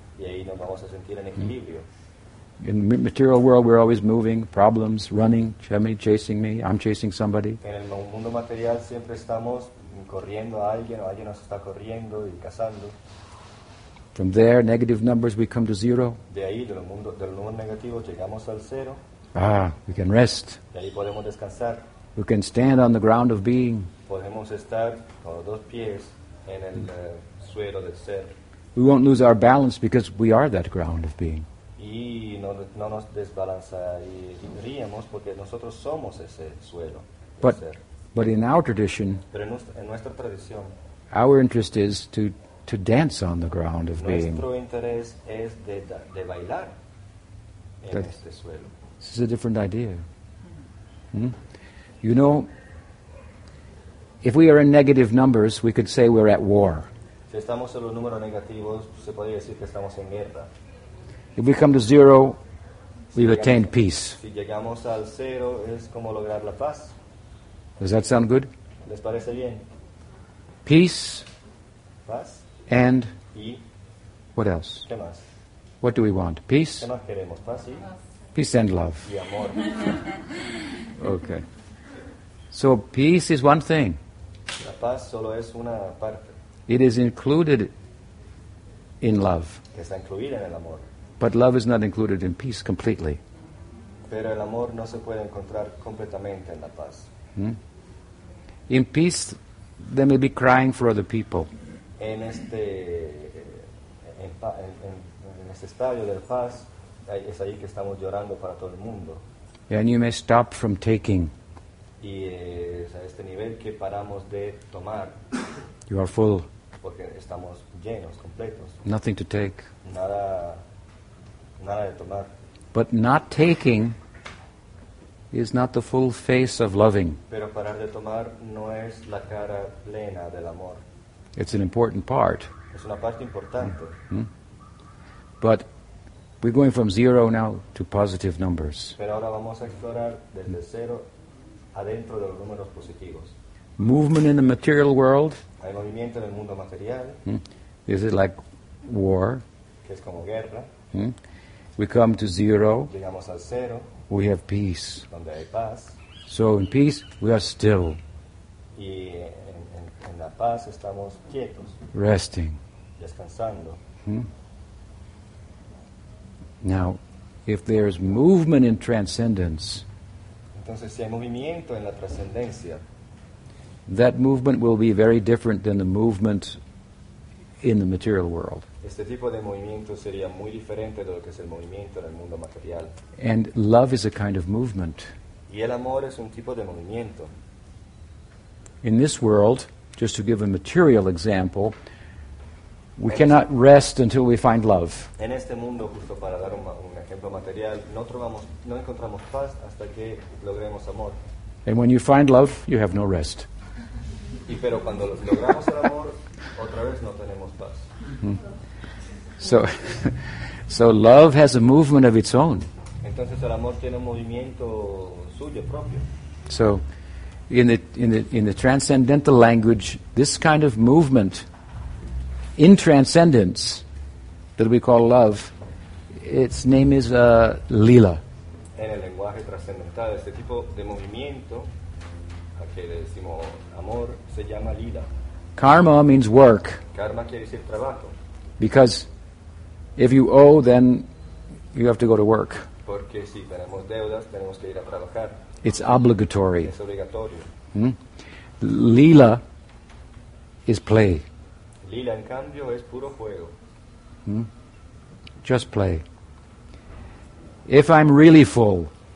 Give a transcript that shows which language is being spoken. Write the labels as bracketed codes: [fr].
[es] Y ahí nos vamos a sentir en equilibrio. [en] In the material world, we're always moving, problems, running, chasing me, I'm chasing somebody. [es] En el mundo material siempre estamos corriendo a alguien, o alguien nos está corriendo y cazando. [en] From there, negative numbers, we come to zero. [es] De ahí, del número negativo, llegamos al cero. [en] We can rest. [es] De ahí podemos descansar. [en] We can stand on the ground of being. [es] Podemos estar con los dos pies en el suelo del ser. [en] We won't lose our balance because we are that ground of being. [es] Y no nos desbalanzaríamos porque nosotros somos ese suelo. [en] But in our tradition, [es] pero en nuestra tradición, [en] our interest is to dance on the ground of [es] nuestro [en] being. [es] Nuestro interés es de bailar en este suelo. [en] This is a different idea. You know, if we are in negative numbers, we could say we're at war. [es] Si estamos en los números negativos, se podría decir que estamos en guerra. [en] If we come to zero, we've attained peace. [es] Si llegamos al cero, es como lograr la paz. [en] Does that sound good? [es] ¿Les parece bien? [en] Peace. [es] Paz. [en] And? [es] Y. [en] What else? [es] ¿Qué más? [en] What do we want? Peace? [es] ¿Qué más queremos? Paz y. [en] Peace and love. [es] Y amor. [en] Okay. So peace is one thing. [es] La paz solo es una parte. [en] It is included in love. [es] Está incluida en el amor. [en] But love is not included in peace completely. [es] Pero el amor no se puede encontrar completamente en la paz. [en] In peace, there may be crying for other people. [es] En este en este estadio de paz es ahí que estamos llorando para todo el mundo. [en] And you may stop from taking. [es] Y es a este nivel que paramos de tomar. [en] You are full. [es] Porque estamos llenos, completos. [en] Nothing to take. [es] Nada. Nada de tomar. [en] But not taking is not the full face of loving. [es] Pero parar de tomar no es la cara plena del amor. [en] It's an important part. [es] Es una parte importante. [en] But we're going from zero now to positive numbers. [es] Pero ahora vamos a explorar desde cero adentro de los números positivos. [en] movement in the material world. [es] Hay movimiento en el mundo material. [en] This is like war. [es] Que es como guerra. [en] We come to zero. [es] Llegamos al cero. [en] We have peace. [es] Donde hay paz. [en] So in peace, we are still. [es] Y en la paz estamos quietos. [en] Resting. [es] Descansando. [en] Now, if there is movement in transcendence, [es] entonces, si hay movimiento en la transcendencia, [en] that movement will be very different than the movement in the material world. [es] Este tipo de movimiento sería muy diferente de lo que es el movimiento en el mundo material. [en] And love is a kind of movement. [es] Y el amor es un tipo de movimiento. [en] In this world, just to give a material example, we cannot rest until we find love. [es] En este mundo, justo para dar un ejemplo material, no encontramos paz hasta que logremos amor. [en] And when you find love, you have no rest. [es] Y pero cuando logramos el amor, otra vez no tenemos paz. [en] So love has a movement of its own. [es] Entonces el amor tiene un movimiento suyo propio. [en] So in the transcendental language, this kind of movement in transcendence that we call love, its name is lila. [es] En el lenguaje trascendental, este tipo de movimiento a que le decimos amor se llama lila. [en] Karma means work. [es] Karma quiere decir trabajo. [en] Because if you owe, then you have to go to work. [es] Porque si tenemos deudas, tenemos que ir a trabajar. [en] It's obligatory. [es] Es obligatorio. [en] Lila is play. [es] Lila, en cambio, es puro juego. [en] Just play. If I'm really full,